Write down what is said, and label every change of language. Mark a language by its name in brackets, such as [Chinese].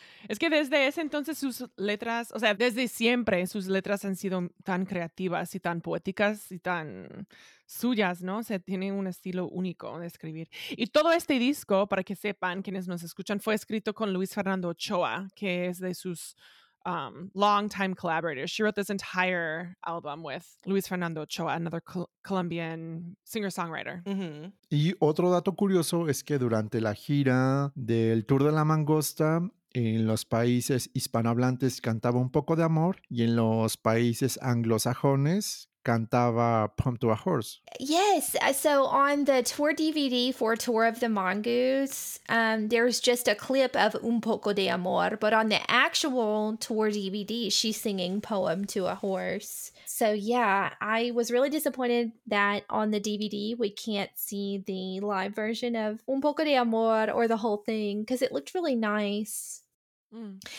[Spanish] Es que desde ese entonces sus letras, o sea, desde siempre sus letras han sido tan creativas y tan poéticas y tan suyas, ¿no? O sea, tiene un estilo único de escribir. Y todo este disco, para que sepan quienes nos escuchan, fue escrito con Luis Fernando Ochoa, que es de sus [English] long-time collaborators. She wrote this entire album with Luis Fernando Ochoa, another Colombian singer-songwriter. Mm-hmm. [Spanish] Y otro dato curioso es que durante la gira del Tour de la Mangosta, en los países hispanohablantes cantaba Un Poco de Amor y en los países anglosajones cantaba Pump to a Horse. [English] Yes, so on the tour DVD for Tour of the Mongoose, there's just a clip of Un Poco de Amor, but on the actual tour DVD, she's singing Poem to a Horse. So yeah, I was really disappointed that on the DVD, we can't see the live version of Un Poco de Amor or the whole thing, because it looked really nice. Mm.